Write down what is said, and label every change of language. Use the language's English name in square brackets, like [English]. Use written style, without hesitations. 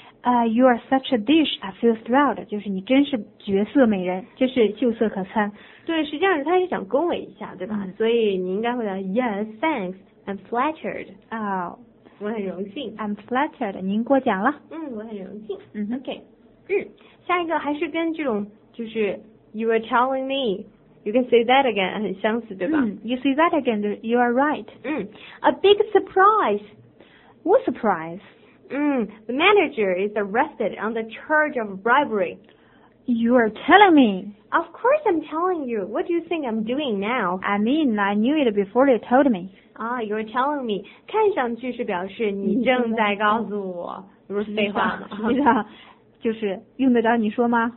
[English] You are such a dish, I feel thrilled. [Chinese] 就是你真是绝色美人，就是秀色可餐。对，实际上他也想恭维一下，对吧？所以你应该会答 [English] Yes, thanks, I'm flattered. [Chinese] 我很荣幸。 [English] I'm flattered. [Chinese] 您过奖了。我很荣幸。 [English] OK. [Chinese] 下一个还是跟这种，就是 [English] You are telling me, you can say that again, [Chinese] 很相似，对吧？ [English] You say that again, you are right. A big surprise. What surprise? The manager is arrested on the charge of bribery. You are telling me? Of course I'm telling you. What do you think I'm doing now? I mean, I knew it before you told me. Ah, you're telling me. [Chinese] 看上去是表示你正在告诉我。不是废话吗？你知道，就是用得着你说吗？